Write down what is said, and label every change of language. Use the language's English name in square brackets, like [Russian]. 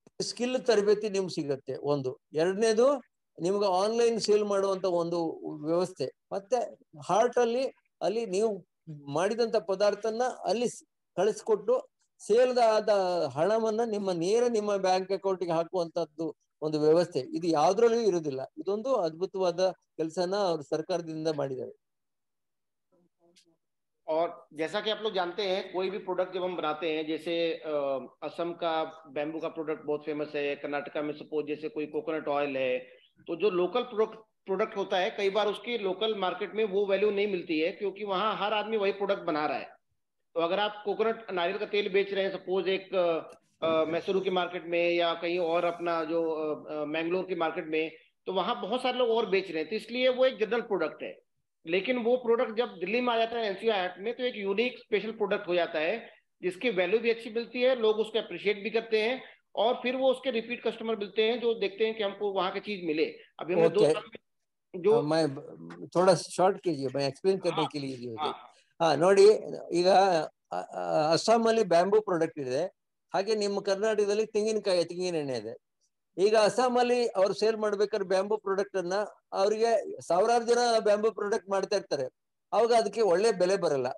[Kannada] Skill ತರಬೇತಿ ನಿಮ್ಗೆ ಸಿಗತ್ತೆ ಒಂದು, ಎರಡನೇದು ನಿಮ್ಗೆ ಆನ್ಲೈನ್ ಸೇಲ್ ಮಾಡುವಂತ ಒಂದು ವ್ಯವಸ್ಥೆ, ಮತ್ತೆ ಹಾರ್ಟ್ ಅಲ್ಲಿ ಅಲ್ಲಿ ನೀವು ಮಾಡಿದಂತ ಪದಾರ್ಥನ ಅಲ್ಲಿ ಕಳಿಸ್ಕೊಟ್ಟು ಸೇಲ್ ಆದ ಹಣವನ್ನ ನಿಮ್ಮ ನೇರ ನಿಮ್ಮ ಬ್ಯಾಂಕ್ ಅಕೌಂಟ್ ಗೆ ಹಾಕುವಂತದ್ದು ಒಂದು ವ್ಯವಸ್ಥೆ, ಇದು ಯಾವ್ದ್ರಲ್ಲೂ ಇರುವುದಿಲ್ಲ. ಇದೊಂದು ಅದ್ಭುತವಾದ ಕೆಲಸನ ಅವ್ರ ಸರ್ಕಾರದಿಂದ ಮಾಡಿದ್ದಾರೆ. [Hindi] और जैसा कि आप लोग जानते हैं, कोई भी प्रोडक्ट जब हम बनाते हैं, जैसे असम का बैम्बू का प्रोडक्ट बहुत फेमस है, कर्नाटका में सपोज जैसे कोई कोकोनट ऑयल है, तो जो लोकल प्रोडक्ट प्रोडक्ट होता है, कई बार उसकी लोकल मार्केट में वो वैल्यू नहीं मिलती है क्योंकि वहां हर आदमी वही प्रोडक्ट बना रहा है। तो अगर आप कोकोनट नारियल का तेल बेच रहे हैं सपोज एक मैसूरू की मार्केट में या कहीं और अपना जो मैंगलोर की मार्केट में, तो वहां बहुत सारे लोग और बेच रहे हैं, तो इसलिए वो एक जनरल प्रोडक्ट है। लेकिन वो प्रोडक्ट जब दिल्ली में आ जाता है NCR में, तो एक यूनिक स्पेशल प्रोडक्ट हो जाता है जिसकी वैल्यू भी अच्छी मिलती है, लोग उसको अप्रिशिएट भी करते हैं और फिर वो उसके रिपीट कस्टमर मिलते हैं जो देखते हैं कि हमको वहां की चीज मिले। अभी हमने 2 साल ओके, में जो मैं थोड़ा शॉर्ट कीजिए, मैं एक्सप्लेन करने के हाँ लिए ये हाँ हाँ [Kannada] नोड़ी, ईगा ಅಸ್ಸಾಂ ಅಲ್ಲಿ ಬ್ಯಾಂಬೂ ಪ್ರಾಡಕ್ಟ್ ಇದೆ, ಹಾಗೆ ನಿಮ್ಮ ಕರ್ನಾಟಕದಲ್ಲಿ ತೆಂಗಿನಕಾಯಿ ತೆಂಗಿನ ಎಣ್ಣೆ ಇದೆ. ಈಗ ಅಸ್ಸಾಂ ಅಲ್ಲಿ ಅವ್ರು ಸೇಲ್ ಮಾಡ್ಬೇಕಾದ್ರೆ ಬ್ಯಾಂಬೂ ಪ್ರಾಡಕ್ಟ್ ಅನ್ನ ಅವರಿಗೆ ಸಾವಿರಾರು ಜನ ಬ್ಯಾಂಬೂ ಪ್ರಾಡಕ್ಟ್ ಮಾಡ್ತಾ ಇರ್ತಾರೆ, ಅವಾಗ ಅದಕ್ಕೆ ಒಳ್ಳೆ ಬೆಲೆ ಬರಲ್ಲ.